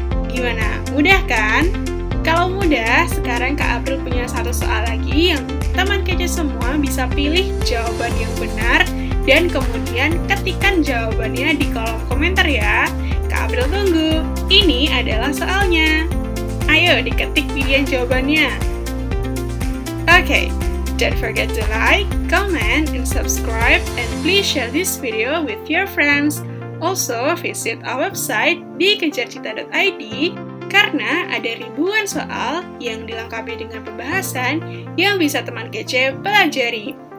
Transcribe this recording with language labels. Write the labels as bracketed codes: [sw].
[id] Gimana, mudah kan? Kalau mudah, sekarang Kak April punya satu soal lagi yang teman kece semua bisa pilih jawaban yang benar dan kemudian ketikkan jawabannya di kolom komentar ya. Kak April tunggu. Ini adalah soalnya. Ayo diketik pilihan jawabannya. [en] Okay, don't forget to like, comment, and subscribe, and please share this video with your friends. Also, visit our website [id] di kejarcita.id karena ada ribuan soal yang dilengkapi dengan pembahasan yang bisa teman kece pelajari.